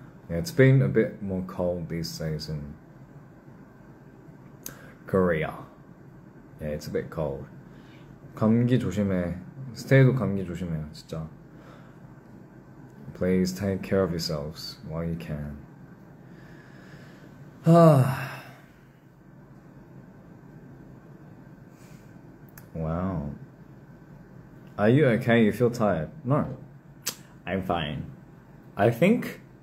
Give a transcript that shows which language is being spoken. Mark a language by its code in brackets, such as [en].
[ko] 예, [en] it's been a bit more cold these days in Korea. [ko] 예, [en] it's a bit cold. [ko] 감기 조심해. 스테이도 감기 조심해요, 진짜. [en] Please take care of yourselves while you can. [ko] 와우. [en] Are you okay? You feel tired? No, I'm fine. I think.